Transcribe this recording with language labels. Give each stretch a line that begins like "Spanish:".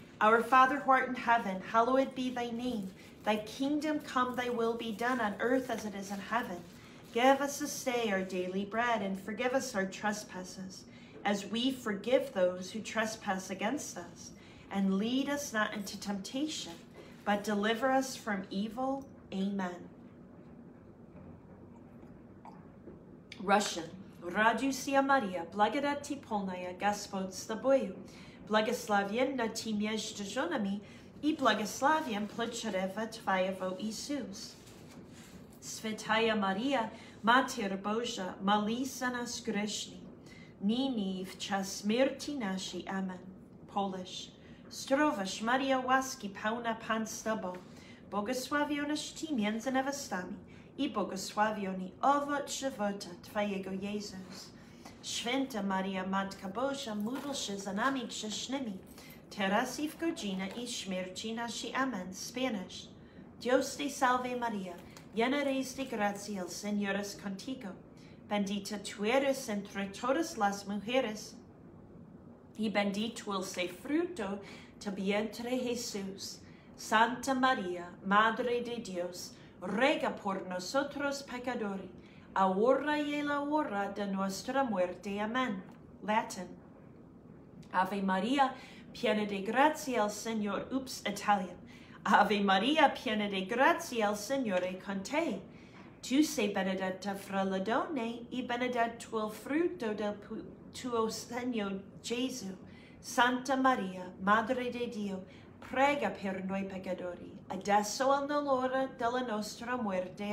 English: Our Father who art in heaven, hallowed be thy name. Thy kingdom come, thy will be done on earth as it is in heaven. Give us this day our daily bread, and forgive us our trespasses, as we forgive those who trespass against us. And lead us not into temptation, but deliver us from evil. Amen. Russian.
Russian: Радуйся, Мария, благодать ты полная, Господь с тобою. Благословен на ты между женами, и благословен плод чрева твоего, Иисус. Святая Мария, Матерь Божия, молись за нас грешни, ныне и в час смерти нашей. Амин. Polish.
Polish: Zdrowaś, Maria, łaski pełna Pan z Tobą. Błogosławionaś Ty między niewiastami i błogosławiony owoc żywota Twojego, Jezus. Święta Maria, Matka Boża, módl się za nami grzesznymi, teraz i w godzinę i śmierci naszej.
Spanish: Amen. Spanish. Dios te salve, Maria. Llena eres de gracia, el Señor es contigo. Bendita tú eres entre todas las mujeres. Y bendito el fruto tu vientre, Jesús. Santa María, Madre de Dios, ruega por nosotros pecadores, ahora y en la hora de nuestra muerte.
Italian: Amén. Latin. Ave María, piena de gracia, el Señor.
English: Oops, Italian.
Italian: Ave María, piena de gracia, el Signore con te. Tu sei benedetta fra le donne, e benedetto il frutto del tuo seno, Gesù. Santa Maria, Madre di Dio, prega per noi peccatori, adesso e nell'ora della nostra muerte.